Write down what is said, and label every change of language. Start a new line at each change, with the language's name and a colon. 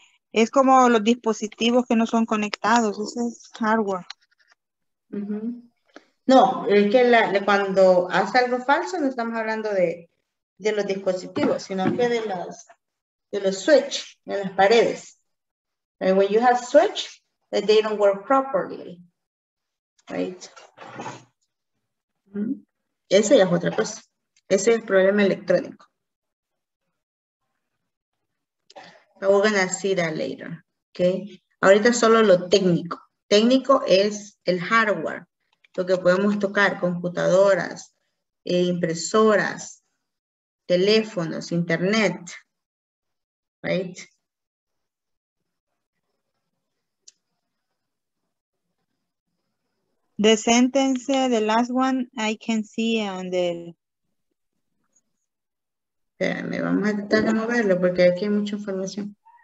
Spanish: Es como los dispositivos que no son conectados, ese es hardware. No, es que cuando hace algo falso no estamos hablando de los dispositivos, sino que de los switch en las paredes.
English: And when you have switch, they don't work properly. Right?
Spanish: Esa ya es otra cosa. Ese es el problema electrónico.
English: But we're going to see that later, okay?
Spanish: Ahorita solo lo técnico. Técnico es el hardware, lo que podemos tocar, computadoras, impresoras, teléfonos, internet, right?
English: The sentence, the last one, I can see on the...
Spanish: Espérame, vamos a tratar de moverlo porque aquí hay mucha información.